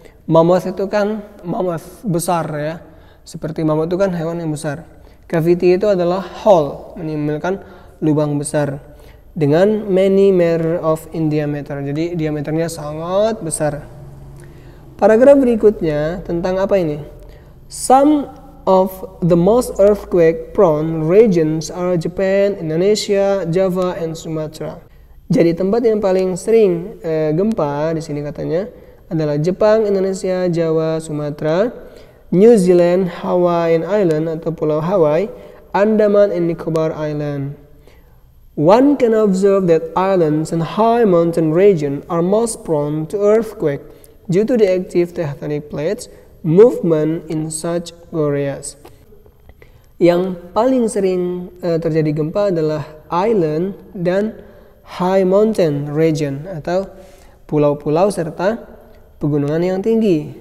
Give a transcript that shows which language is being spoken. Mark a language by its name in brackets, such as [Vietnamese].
[Indonesian] Mammoth itu kan mammoth besar ya. Seperti mammoth itu kan hewan yang besar. Cavity itu adalah hole, menimbulkan lubang besar dengan [English] many meter of in diameter. [Indonesian] Jadi diameternya sangat besar. Paragraf berikutnya tentang apa ini? [English] Some of the most earthquake prone regions are Japan, Indonesia, Java, and Sumatra. [Indonesian] Jadi tempat yang paling sering gempa di sini katanya adalah Jepang, Indonesia, Jawa, Sumatera, New Zealand, Hawaiian Island atau Pulau Hawaii, Andaman and Nicobar Island. [English] One can observe that islands and high mountain region are most prone to earthquake due to the active tectonic plates movement in such areas. [Indonesian] Yang paling sering terjadi gempa adalah island dan [English] high mountain region [Indonesian] atau pulau-pulau serta pegunungan yang tinggi.